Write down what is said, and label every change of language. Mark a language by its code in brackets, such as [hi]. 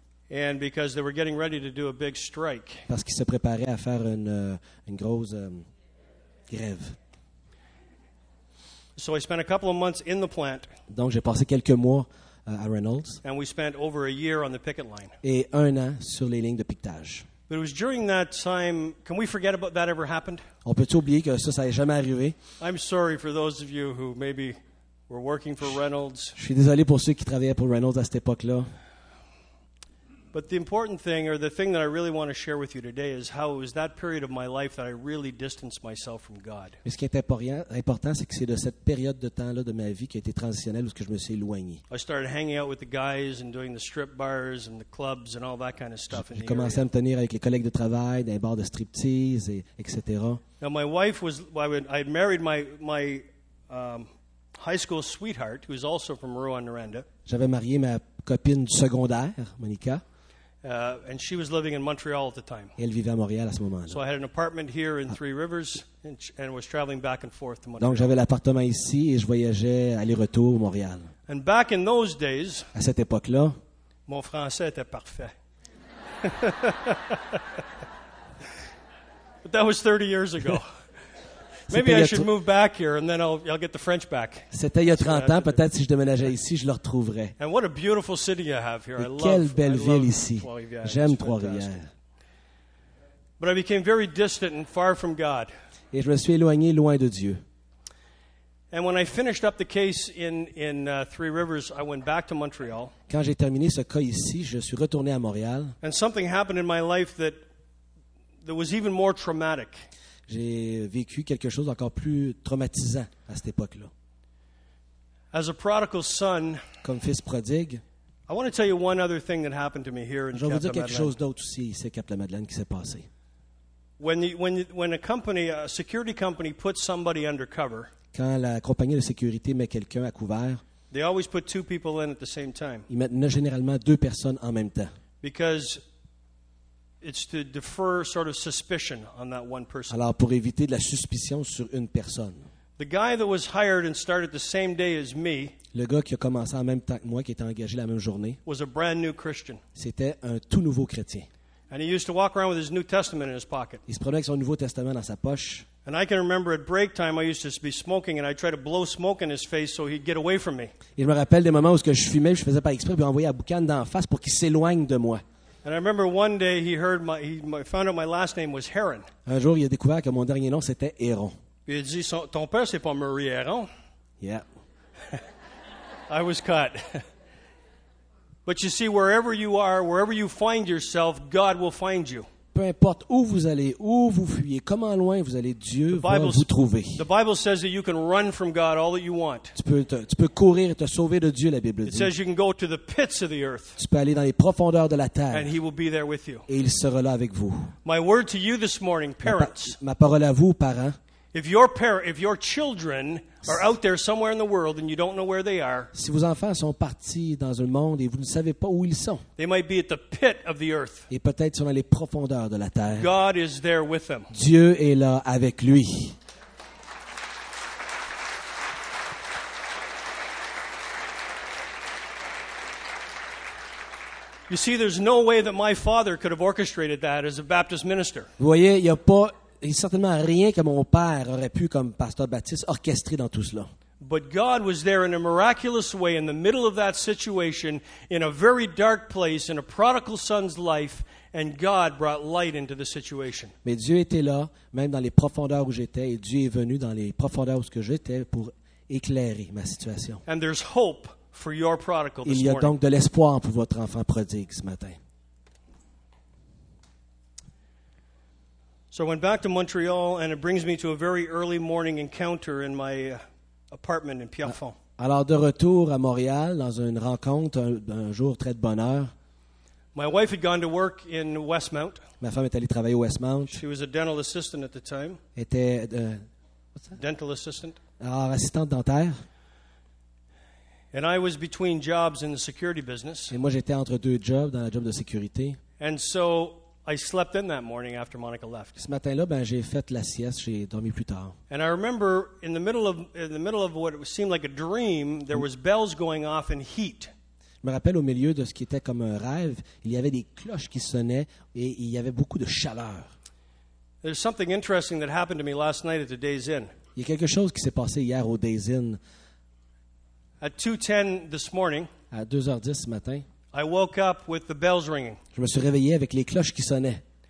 [en] And because they were getting ready to do a big strike. [fr] Parce qu'ils se préparaient à faire une grosse grève. [en] So I spent a couple of months in the plant. [fr] Donc j'ai passé quelques mois à Reynolds. [en] And we spent over a year on the picket line. [fr] Et un an sur les lignes de piquetage. [en] But it was during that time, can we forget about that ever happened? [fr] On peut oublier que ça n'est jamais arrivé. [en] I'm sorry for those of you who maybe were working for Reynolds. [fr] Je suis désolé pour ceux qui travaillaient pour Reynolds à cette époque-là. [en] But the important thing, or the thing that I really want to share with you today, is how it was that period of my life that I really distanced myself from God. [fr] Mais ce qui est important, c'est que c'est de cette période de temps-là de ma vie qui a été transitionnelle où je me suis éloigné. [en] I started hanging out with the guys and doing the strip bars and the clubs and all that kind of stuff. [fr] J'ai commencé à me tenir avec les collègues de travail dans les bars de striptease et etc. [en] Now my wife was, I had married my high school sweetheart, who is also from Rouyn-Noranda. [fr] J'avais marié ma copine du secondaire, Monica. [en] And she was living in Montreal at the time. [fr] Elle vivait à Montréal à ce moment-là. [en] So I had an apartment here in Three Rivers and was traveling back and forth to Montreal. [fr] Donc j'avais l'appartement ici et je voyageais aller-retour à Montréal. [en] And back in those days, [fr] à cette époque-là, mon français était parfait. [en] But that was 30 years ago. Maybe I should move back here and then I'll get the French back. [fr] C'était il y a 30 ans, peut-être si je déménageais ici, je le retrouverais. [en] And what a beautiful city you have here. [fr] Quelle belle ville ici. J'aime Trois-Rivières. [en] But I became very distant and far from God. [fr] Et je me suis éloigné loin de Dieu. [en] And when I finished up the case in Three Rivers, I went back to Montreal. [fr] Quand j'ai terminé ce cas ici, je suis retourné à Montréal. [en] And something happened in my life that was even more traumatic. [fr] J'ai vécu quelque chose d'encore plus traumatisant à cette époque-là. [en] As a prodigal son, [fr] comme fils prodigue, [en] I want to tell you one other thing that happened to me here in Cap-la-Madeleine. [fr] Je vais vous dire quelque chose d'autre aussi ici à Cap-la-Madeleine qui s'est passé. [en] When a company, a security company puts somebody undercover, [fr] quand la compagnie de sécurité met quelqu'un à couvert, [en] they always put two people in at the same time. [fr] Ils mettent généralement deux personnes en même temps. [en] Because it's to defer sort of suspicion on that one person. [fr] Alors pour éviter de la suspicion sur une personne. [en] The guy that was hired and started the same day as me. [fr] Le gars qui a commencé en même temps que moi, qui était engagé la même journée. [en] Was a brand new Christian. [fr] C'était un tout nouveau chrétien. [en] And he used to walk around with his New Testament in his pocket. [fr] Il se promenait avec son Nouveau Testament dans sa poche. [en] And I can remember at break time, I used to be smoking, and I tried to blow smoke in his face so he'd get away from me. [fr] Et je me rappelle des moments où je fumais, je faisais par exprès, puis envoyais la boucane dans la face pour qu'il s'éloigne de moi. [en] And I remember one day he found out my last name was Heron. [fr] Un jour, il a découvert que mon dernier nom c'était Héron. Il a dit, ton père c'est pas Marie Héron. [en] Yeah. I was caught. But you see, wherever you are, wherever you find yourself, God will find you. [fr] Peu importe où vous allez, où vous fuyez, comment loin vous allez, Dieu va vous trouver. [en] The Bible says that you can run from God all that you want. [fr] Tu peux courir et te sauver de Dieu, la Bible dit. [en] It says you can go to the pits of the earth. [fr] Tu peux aller dans les profondeurs de la terre. [en] And he will be there with you. [fr] Et il sera là avec vous. [en] My word to you this morning, parents. [fr] Ma parole à vous, parents. [en] If your children are out there somewhere in the world and you don't know where they are. [fr] Si vos enfants sont partis dans un monde et vous ne savez pas où ils sont. [en] They might be at the pit of the earth. [fr] Et peut-être sont dans les profondeurs de la terre. [en] God is there with them. [fr] Dieu est là avec lui. [en] You see, there's no way that my father could have orchestrated that as a Baptist minister. [fr] Vous voyez, il y a pas Et certainement rien que mon père aurait pu, comme pasteur baptiste, orchestrer dans tout cela. [en] But God was there in a miraculous way in the middle of that situation, in a very dark place, in a prodigal son's life, and God brought light into the situation. [fr] Mais Dieu était là, même dans les profondeurs où j'étais, et Dieu est venu dans les profondeurs où j'étais pour éclairer ma situation. [en] And there's hope for your prodigal this morning. [fr] Il y a donc de l'espoir pour votre enfant prodigue ce matin. [en] So I went back to Montreal, and it brings me to a very early morning encounter in my apartment in Pierrefonds. [fr] Alors de retour à Montréal dans une rencontre un jour très de bonne heure. [en] My wife had gone to work in Westmount. [fr] Ma femme est allée travailler au Westmount. [en] She was a dental assistant at the time. [fr] Était de, [en] what's that? Dental assistant. [fr] Alors assistante dentaire. [en] And I was between jobs in the security business. [fr] Et moi j'étais entre deux jobs dans la job de sécurité. [en] And so I slept in that morning after Monica left. [fr] Ce matin-là, ben j'ai fait la sieste, j'ai dormi plus tard. [en] And I remember in the middle of what seemed like a dream, there was bells going off and heat. [fr] Je me rappelle au milieu de ce qui était comme un rêve, il y avait des cloches qui sonnaient et il y avait beaucoup de chaleur. [en] There's something interesting that happened to me last night at the Days Inn. [fr] Il y a quelque chose qui s'est passé hier au Days Inn. [en] At 2:10 this morning. [fr] À 2:10 ce matin. [en] I woke up with the bells ringing. [fr] Je me suis réveillé avec les cloches qui sonnaient.